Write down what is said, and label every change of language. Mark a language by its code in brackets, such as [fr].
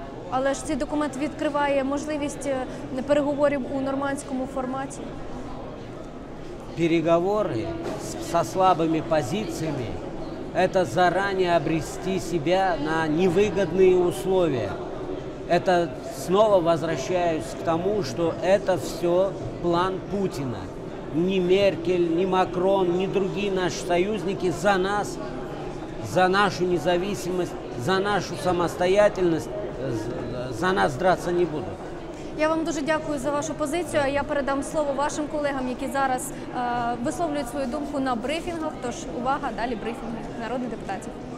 [uk] Але ж цей документ відкриває можливість переговорів у нормандському форматі? Переговори зі слабими позиціями – це зарані обрести себе на невигідні умови. [ru] Это снова возвращаюсь к тому, что это все план Путина. ни Меркель, ни Макрон, ни другие наши союзники за нас, за нашу независимость, за нашу самостоятельность, за нас драться не будут. [uk] Я вам дуже дякую за вашу позицію, а я передам слово вашим колегам, які зараз висловлюють свою думку на брифінгах. Тож, увага, далі брифінги народних депутатів.